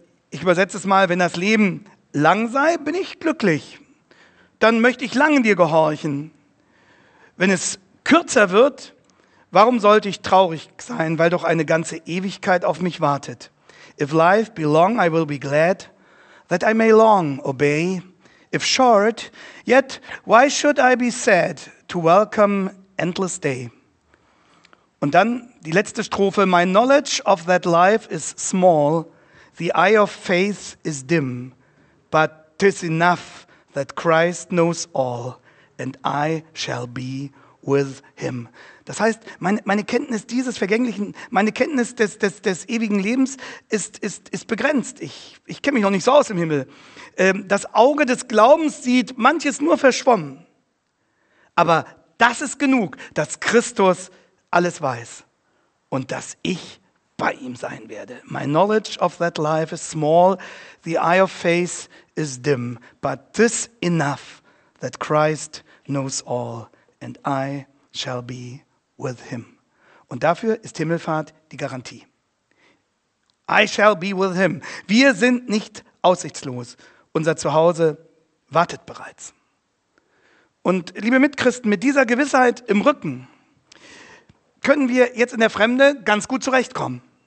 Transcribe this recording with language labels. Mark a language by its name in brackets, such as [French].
[German] Ich übersetze es mal, wenn das Leben lang sei, bin ich glücklich. Dann möchte ich lange dir gehorchen. Wenn es kürzer wird, warum sollte ich traurig sein, weil doch eine ganze Ewigkeit auf mich wartet? [English] If life be long, I will be glad that I may long obey. If short, yet why should I be sad to welcome endless day? [German] Und dann die letzte Strophe. [English] My knowledge of that life is small. The eye of faith is dim. But 'tis enough that Christ knows all, and I shall be with him. [German] Das heißt, meine Kenntnis dieses Vergänglichen, meine Kenntnis des ewigen Lebens ist begrenzt. Ich kenne mich noch nicht so aus im Himmel. Das Auge des Glaubens sieht manches nur verschwommen. Aber das ist genug, dass Christus alles weiß und dass ich bei ihm sein werde. [English] My knowledge of that life is small, the eye of faith is dim, but 'tis enough that Christ knows all and I shall be with him. [German] Und dafür ist Himmelfahrt die Garantie. [English] I shall be with him. [German] Wir sind nicht aussichtslos. Unser Zuhause wartet bereits. Und liebe Mitchristen, mit dieser Gewissheit im Rücken können wir jetzt in der Fremde ganz gut zurechtkommen.